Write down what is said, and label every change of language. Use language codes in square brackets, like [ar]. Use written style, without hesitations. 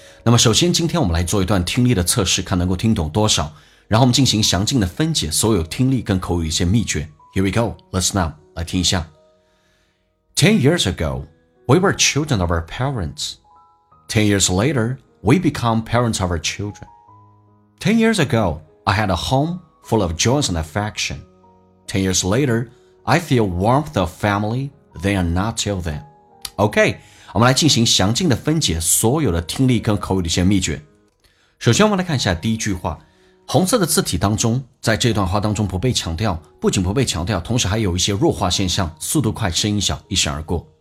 [zh] 那么首先今天我们来做一段听力的测试，看能够听懂多少，然后我们进行详尽的分解所有听力跟口语一些秘诀。 [en] Here we go, listen up, [zh] 来听一下。 [en] 10 years ago, we were children of our parents. 10 years later, we become parents of our children. 10 years ago, I had a home full of joys and affection. 10 years laterI feel warmth of family, they are not till then. [zh] OK, 我们来进行详尽的分解所有的听力跟口语的一些秘诀。首先我们来看一下第一句话，红色的字体当中，在这段话当中不被强调，不仅不被强调，同时还有一些弱化现象，速度快，声音小，一闪而过。